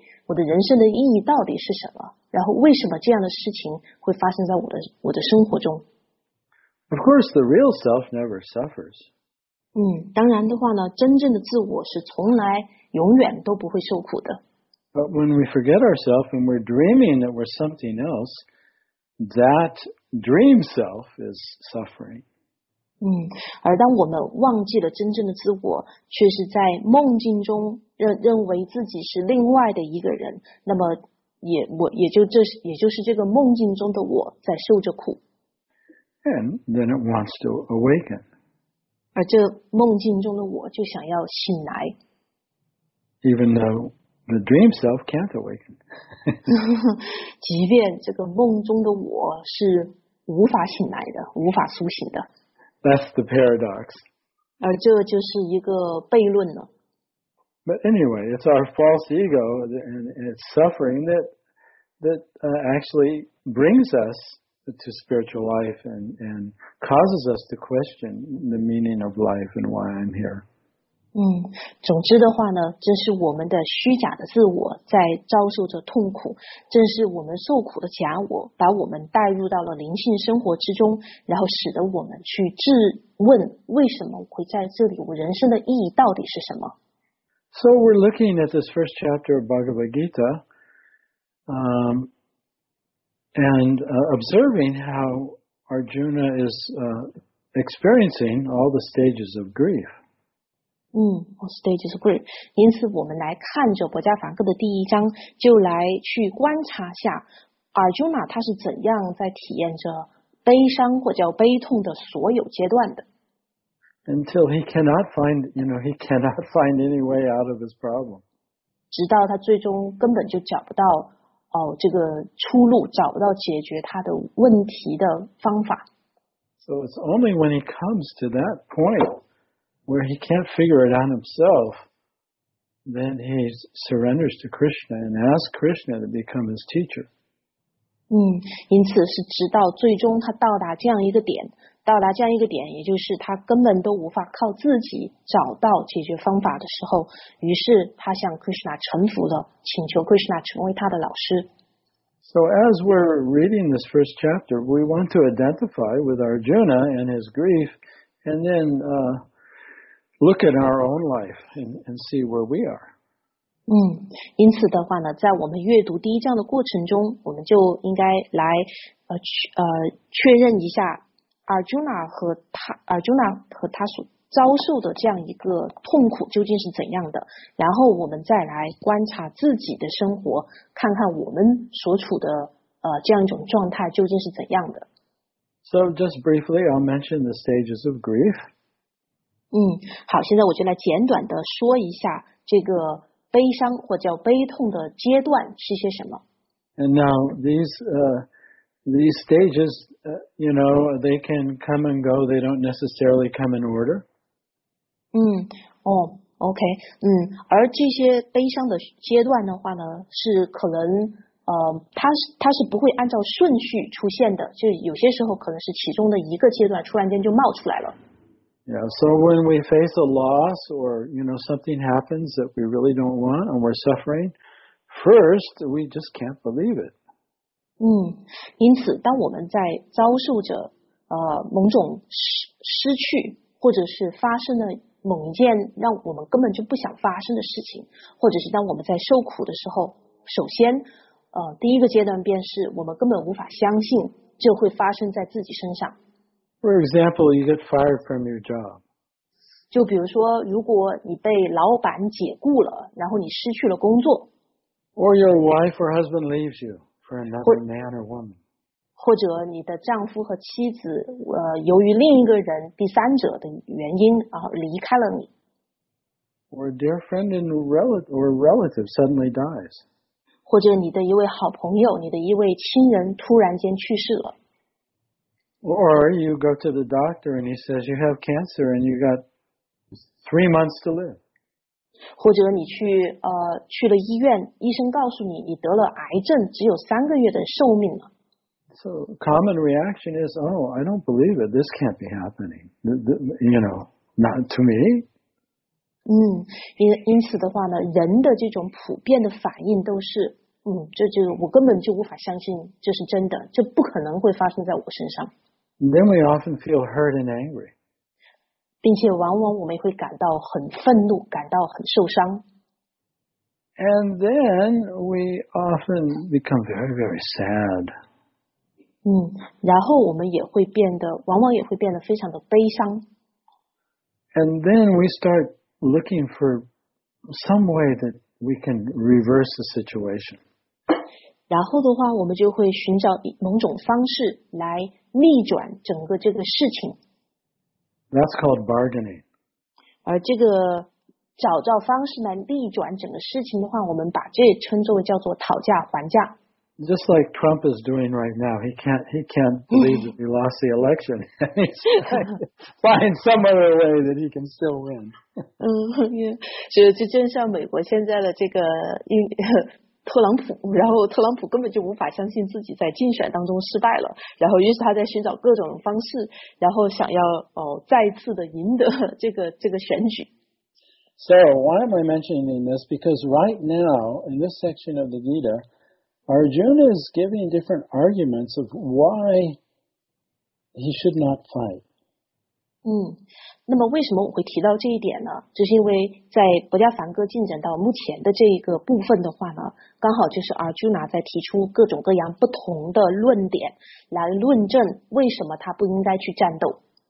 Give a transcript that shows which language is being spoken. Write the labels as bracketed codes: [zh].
[zh] 我的人生的意义到底是什么？然后为什么这样的事情会发生在我的生活中？ [en] Of course, the real self never suffers. [zh] 当然的话呢，真正的自我是从来永远都不会受苦的。 [en] But when we forget ourselves and we're dreaming that we're something else, that dream self is suffering. [zh] 而当我们忘记了真正的自我，却是在梦境中认为自己是另外的一个人，那么也就是这个梦境中的我在受着苦。 [en] And then it wants to awaken. [zh] 而这梦境中的我就想要醒来。 [en] Even though the dream self can't awaken. [zh] 即便这个梦中的我是无法醒来的，无法苏醒的。 [en] That's the paradox. [zh] 而这就是一个悖论了。 [en] But anyway, it's our false ego and its suffering that actually brings us to spiritual life and causes us to question the meaning of life and why I'm here. [zh] 总之的话呢，正是我们的虚假的自我在遭受着痛苦，正是我们受苦的假我把我们带入到了灵性生活之中，然后使得我们去质问为什么我会在这里，我人生的意义到底是什么。 [en] So we're looking at this first chapter of Bhagavad Gita, observing how Arjuna is experiencing all the stages of grief. Stages of grief. [zh] 因此我们来看着博迦梵歌的第一章，就来去观察下 Arjuna 他是怎样在体验着悲伤或叫悲痛的所有阶段的。 [en] Until he cannot find, you know, he cannot find any way out of his problem. [zh] 直到他最终根本就找不到这个出路，找不到解决他的问题的方法。 [en] So it's only when he comes to that point where he can't figure it out himself, then he surrenders to Krishna and asks Krishna to become his teacher. [zh] 因此是直到最终他到达这样一个点，也就是他根本都无法靠自己找到解决方法的时候，于是他向 Krishna 臣服了，请求 Krishna 成为他的老师。 [en] So as we're reading this first chapter, we want to identify with Arjuna and his grief, and then look at our own life and see where we are. [zh] 因此的话呢，在我们阅读第一章的过程中，我们就应该来确认一下Arjuna 和他所遭受的这样一个痛苦究竟是怎样的，然后我们再来观察自己的生活，看看我们所处的这样一种状态究竟是怎样的。 [en] So just briefly I'll mention the stages of grief. [zh] 好，现在我就来简短的说一下这个悲伤或叫悲痛的阶段是些什么。 [en] And now these stages, you know, they can come and go. They don't necessarily come in order. [zh] 而这些悲伤的阶段的话呢，是可能它是不会按照顺序出现的。就有些时候可能是其中的一个阶段突然间就冒出来了。 [en] Yeah. So when we face a loss or you know something happens that we really don't want and we're suffering, first we just can't believe it. [zh] 因此当我们在遭受着某种失去或者是发生了某一件让我们根本就不想发生的事情，或者是当我们在受苦的时候，首先第一个阶段便是我们根本无法相信这会发生在自己身上。 [en] For example, you get fired from your job. [zh] 就比如说如果你被老板解雇了，然后你失去了工作。 [en] Or your wife or husband leaves you for another man or woman. [zh] 或者你的丈夫和妻子，由于另一个人、第三者的原因啊，离开了你。 [en] Or a dear friend and relative suddenly dies. [zh] 或者你的一位好朋友、你的一位亲人突然间去世了。 [en] Or you go to the doctor and he says you have cancer and you got 3 months to live. [zh] 或者你去去了医院，医生告诉你你得了癌症，只有三个月的寿命了。 [en] So common reaction is, oh, I don't believe it. This can't be happening. You know, not to me. [zh] 因此的话呢，人的这种普遍的反应都是，这就我根本就无法相信这是真的，这不可能会发生在我身上。 [en] Then we often feel hurt and angry. [zh] 并且往往我们会感到很愤怒，感到很受伤。 [en] And then we often become very, very sad. [zh] 然后我们也会变得，往往也会变得非常的悲伤。 [en] And then we start looking for some way that we can reverse the situation. [zh] 然后的话，我们就会寻找某种方式来逆转整个这个事情。 [en] That's called bargaining. [zh] 而这个找到方式来逆转整个事情的话，我们把这称作叫做讨价还价。 [en] Just like Trump is doing right now, he can't believe that he lost the election. He's trying to find some other way that he can still win. [zh] 就正像美国现在的这个特朗普，然后特朗普根本就无法相信自己在竞选当中失败了，然后于是他在寻找各种方式，然后想要再次的赢得这个选举。 [en] So why am I mentioning this? Because right now in this section of the Gita. Arjuna is giving different arguments of why he should not fight. [zh] 那么为什么我会提到这一点呢？就是因为在《薄伽梵歌》进展到目前的这一个部分的话呢，刚好就是 Arjuna 在提出各种各样不同的论点来论证为什么他不应该去战斗。